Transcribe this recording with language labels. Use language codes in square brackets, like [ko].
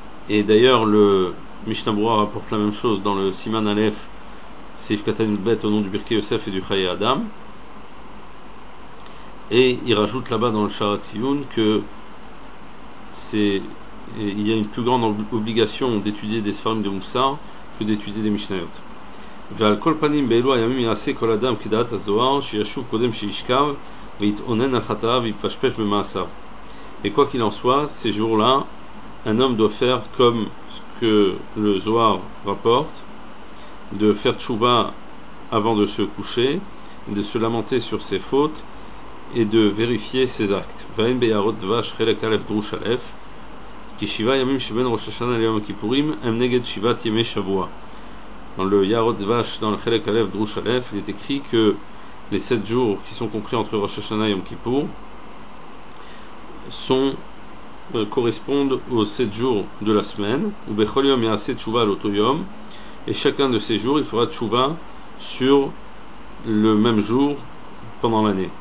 [fr] Et d'ailleurs, le Mishnah Berurah rapporte la même chose dans le Siman Aleph, Seif Katan Bet, au nom du Birkei Yosef et du Chaye Adam. Et il rajoute là-bas dans le Shaar HaTzion que il y a une plus grande obligation d'étudier des Sfarim de Moussar que d'étudier des Mishnayot. [he] ועל כל פנים באלו הימים יעשה כל אדם כדעת הזוהר שישוב קודם שישכב ויתאונן על חטאיו ויפשפש במעשיו. [fr] Et quoi qu'il en soit, ces jours-là, un homme doit faire comme ce que le Zohar rapporte, de faire tshuva avant de se coucher, de se lamenter sur ses fautes et de vérifier ses actes. [he] ואין ביערות דבש חלק א' דרוש א' כי שבעה ימים שבין ראש השנה ליום הכיפורים הם נגד שבעת ימי שבוע. [fr] Dans le Yarot Vash, dans le Chelek Alef, Drush Alef, il est écrit que les 7 jours qui sont compris entre Rosh Hashanah et Yom Kippour correspondent aux 7 jours de la semaine. [he] Ou Bechol Yom Yaseh Tshuva l'Oto Yom. [fr] Et chacun de ces jours, il fera Tshuva sur le même jour pendant l'année.